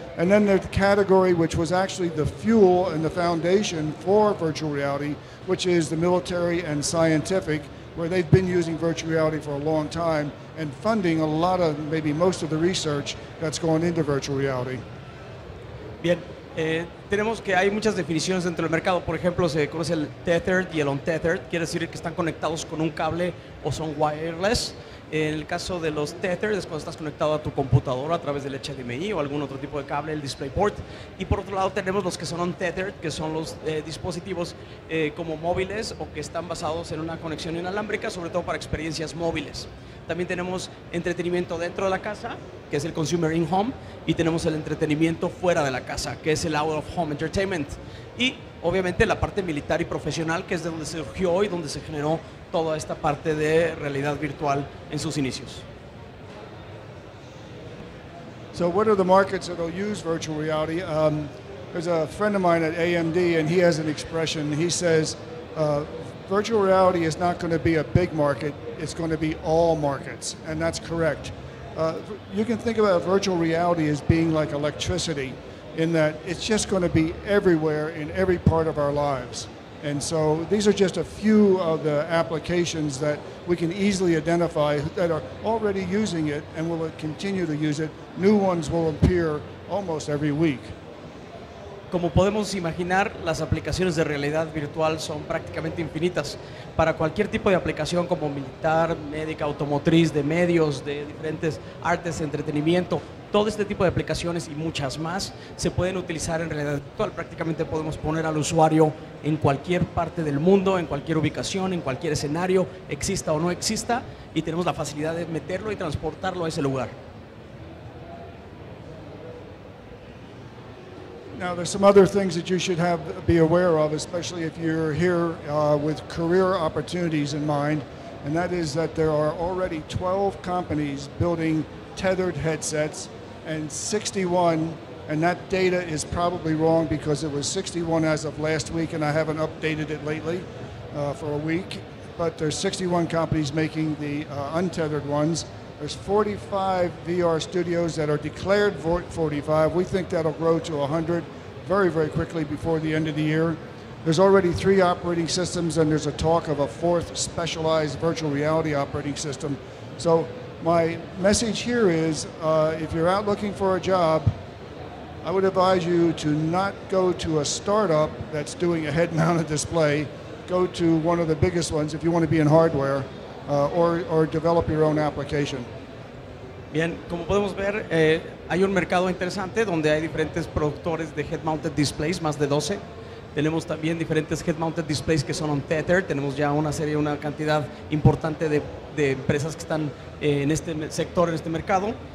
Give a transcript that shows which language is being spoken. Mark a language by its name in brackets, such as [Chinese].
[English] And then there's the category which was actually the fuel and the foundation for virtual reality, which is the military and scientific, where they've been using virtual reality for a long time and funding a lot of, maybe most of the research that's going into virtual reality. [Spanish] Bien, tenemos que hay muchas definiciones dentro del mercado. Por ejemplo, se conoce el tethered y el untethered. Quiere decir que están conectados con un cable o son wireless. En el caso de los tethers, es cuando estás conectado a tu computadora a través del HDMI o algún otro tipo de cable, el DisplayPort. Y por otro lado tenemos los que son untethered, que son los dispositivos como móviles o que están basados en una conexión inalámbrica, sobre todo para experiencias móviles. También tenemos entretenimiento dentro de la casa, que es el consumer in-home, y tenemos el entretenimiento fuera de la casa, que es el out-of-home entertainment. Y obviamente la parte militar y profesional, que es de donde surgió y donde se generó toda esta parte de realidad virtual en sus inicios. [English] So what are the markets that will use virtual reality? There's a friend of mine at AMD, and he has an expression. He says, virtual reality is not going to be a big market, it's going to be all markets, and that's correct. You can think about virtual reality as being like electricity, in that it's just going to be everywhere in every part of our lives. And so these are just a few of the applications that we can easily identify that are already using it and will continue to use it. New ones will appear almost every week. [Spanish] Como podemos imaginar, las aplicaciones de realidad virtual son prácticamente infinitas. Para cualquier tipo de aplicación como militar, médica, automotriz, de medios, de diferentes artes, entretenimiento, todo este tipo de aplicaciones y muchas más se pueden utilizar en realidad virtual. Prácticamente podemos poner al usuario en cualquier parte del mundo, en cualquier ubicación, en cualquier escenario, exista o no exista, y tenemos la facilidad de meterlo y transportarlo a ese lugar. [English] Now there's some other things that you should have be aware of, especially if you're here with career opportunities in mind, and that is that there are already 12 companies building tethered headsets, and 61, and that data is probably wrong because it was 61 as of last week and I haven't updated it lately for a week, but there's 61 companies making the untethered ones. There's 45 VR studios that are declared 45. We think that'll grow to 100 very, very quickly before the end of the year. There's already three operating systems, and there's a talk of a fourth specialized virtual reality operating system. So my message here is, if you're out looking for a job, I would advise you to not go to a startup that's doing a head-mounted display. Go to one of the biggest ones if you want to be in hardware. Or develop your own application. [Spanish] Bien, como podemos ver, hay un mercado interesante donde hay diferentes productores de head-mounted displays, más de 12. Tenemos también diferentes head-mounted displays que son untethered. Tenemos ya una serie, una cantidad importante de empresas que están en este sector, en este mercado.